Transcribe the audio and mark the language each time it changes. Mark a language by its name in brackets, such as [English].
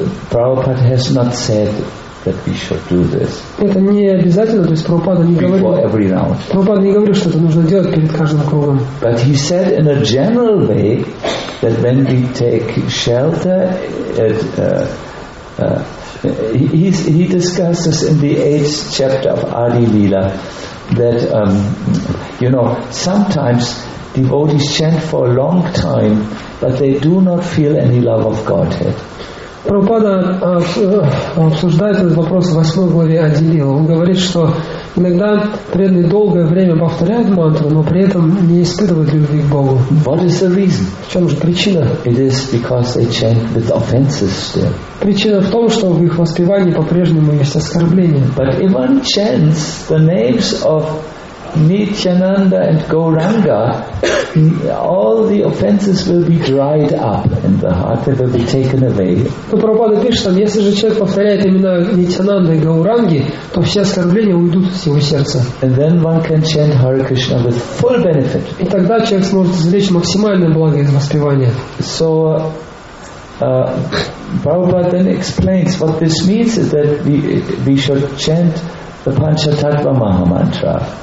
[English] Prabhupada has not said that we should do this. [Russian] Это не обязательно, то есть Прабхупада не говорил. [English] Before every round. [Russian] Прабхупада не говорил, что это нужно делать перед каждым кругом. [English] But he said in a general way that when we take shelter at he discusses in the 8th chapter of Adi Lila that you know, sometimes devotees chant for a long time but they do not feel any love of Godhead. [Russian] Прабхупада обсуждает этот вопрос в 8 главе Ади Лила. Он говорит, что иногда преданные долгое время повторяют мантру, но при этом не испытывают любви к Богу. [English] What is the reason? [Russian] В чем же причина? [English] It is because they chant with offenses still. [Russian] Причина в том, что в их воспевании по-прежнему есть оскорбления. [English] But if one chants the names of Nityananda and Gauranga, all the offenses will be dried up in the heart, they will be taken away. [Russian] Но Прабхупада пишет, что если же человек повторяет имена Нитянанда и Гауранги, то все оскорбления уйдут из его сердца. [English] And then one can chant Hare Krishna with full benefit. [Russian] И тогда человек сможет извлечь максимальное благо из воспевания. [English] So, Prabhupada then explains what this means is that we should chant the Panchatattva Mahamantra.